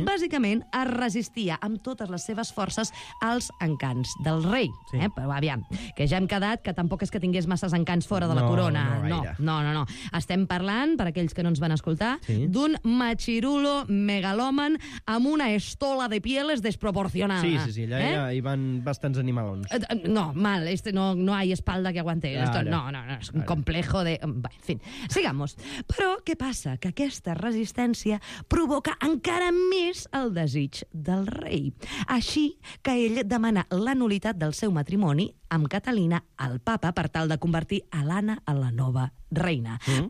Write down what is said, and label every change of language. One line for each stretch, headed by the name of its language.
Catalan: bàsicament es resistia amb totes les seves forces als encants del rei. Sí. Però aviam, que ja hem quedat que tampoc és que tingués masses encants fora de la corona. No, no, no, no, no. Estem parlant, per aquells que no ens van escoltar, sí. d'un machirulo megalòman amb una
Spanish: estola de pieles
Catalan: desproporcionada. Sí, sí, sí, allà hi van bastants animalons.
Spanish: No, mal, este no hay espalda que aguante.
Catalan: No, és
Spanish: un complejo de...
Catalan: En fi,
Spanish: sigamos.
Catalan: Però què passa? Que aquesta resistència provoca encara més el desig del rei. Així que ell demana la nul·litat del seu matrimoni amb Catalina al papa per tal de convertir a l'Anna en la nova reina. Mm.